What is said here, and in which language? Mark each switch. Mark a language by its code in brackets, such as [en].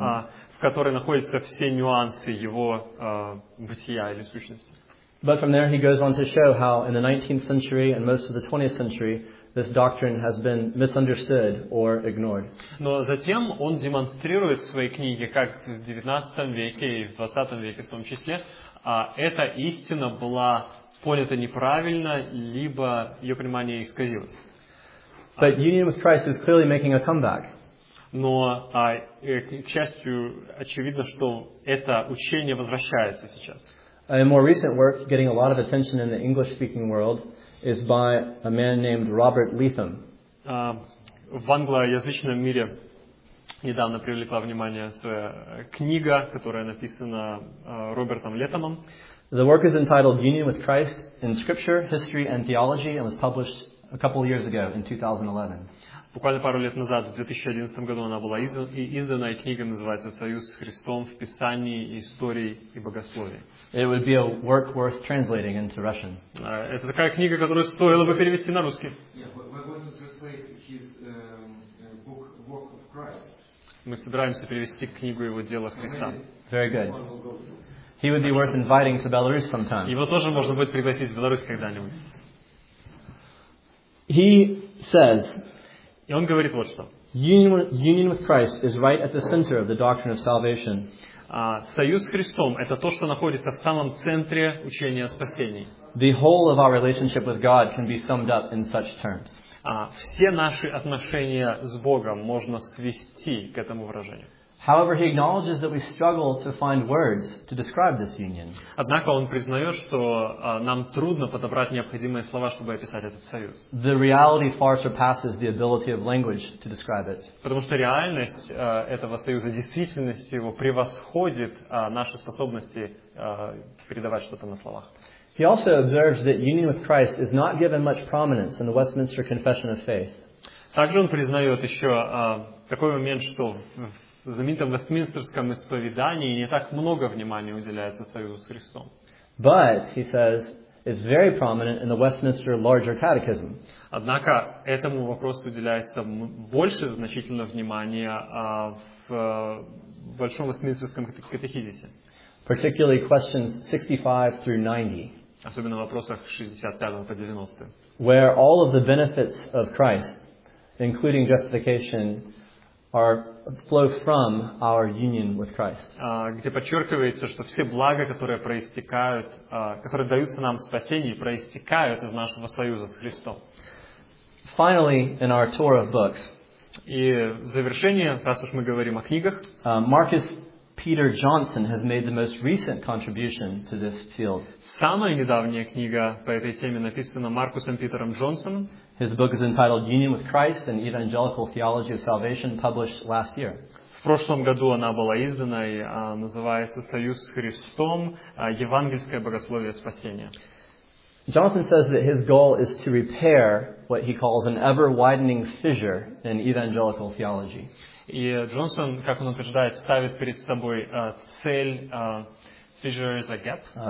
[ru] В которой находятся все нюансы его бытия или сущности. [en] But from there he goes on to show how in the 19th century and most of the 20th century this doctrine has been misunderstood or ignored. [ru] Но затем он демонстрирует в своей книге, как в 19 веке и в 20 веке в том числе, эта истина была понята неправильно, либо ее понимание исказилось. [en] But union with Christ is clearly making a comeback. [ru] Но, к счастью, очевидно, что это учение возвращается сейчас. [en] A more recent work, getting a lot of attention in the English-speaking world, is by a man named Robert Lethem. [ru] В англоязычном мире недавно привлекла внимание своя книга, которая написана Робертом Летомом. [en] The work is entitled Union with Christ in Scripture, History and Theology and was published a couple years ago in 2011. [ru] Буквально пару лет назад, в 2011 году, она была издана, и книга называется «Союз с Христом в Писании, Истории и Богословии». [en] It would be a work worth translating into Russian. [ru] Это такая книга, которую стоило бы перевести на русский. [en] Yeah, but we're going to translate his book Work of Christ. [ru] Мы собираемся перевести книгу его «Дело Христа». [en] Very good. He would be worth inviting to Belarus sometime. [ru] Его тоже можно будет пригласить в Беларусь когда-нибудь. [en] He says. [ru] И он говорит вот что. [en] Union with Christ is right at the center of the doctrine of salvation. [ru] Союз с Христом – это то, что находится в самом центре учения о спасении. [en] The whole of our relationship with God can be summed up in such terms. [ru] Все наши отношения с Богом можно свести к этому выражению. [en] However, he acknowledges that we struggle to find words to describe this union. [ru] Однако он признает, что нам трудно подобрать необходимые слова, чтобы описать этот союз. [en] The reality far surpasses the ability of language to describe it. [ru] Потому что реальность этого союза, действительность его превосходит наши способности передавать что-то на словах. [en] He also observes that union with Christ is not given much prominence in the Westminster Confession of Faith. [ru] Также он признает еще такой момент, что в знаменитом Вестминстерском исповедании не так много внимания уделяется союзу с Христом. [en] But, he says, is very prominent in the Westminster Larger Catechism. [ru] Однако этому вопросу уделяется больше значительного внимания в Большом Вестминстерском катехизисе. [en] Particularly questions 65 through 90. [ru] Особенно в вопросах 65 по 90. [en] Where all of the benefits of Christ, including justification, flow from our union with Christ. [ru] Где подчеркивается, что все блага, которые проистекают, которые даются нам в спасении, проистекают из нашего союза с Христом. [en] Finally, in our tour of books. [ru] И в завершение, раз уж мы говорим о книгах, [en] Marcus Peter Johnson has made the most recent contribution to this field. [ru] Самая недавняя книга по этой теме написана Маркусом Питером Джонсоном. [en] His book is entitled Union with Christ and Evangelical Theology of Salvation, published last year. [ru] В прошлом году она была издана и называется «Союз с Христом. Евангельское богословие спасения». [en] Johnson says that his goal is to repair what he calls an ever-widening fissure in evangelical theology. [ru] И Джонсон, как он утверждает, ставит перед собой цель, [en] fissure is a gap.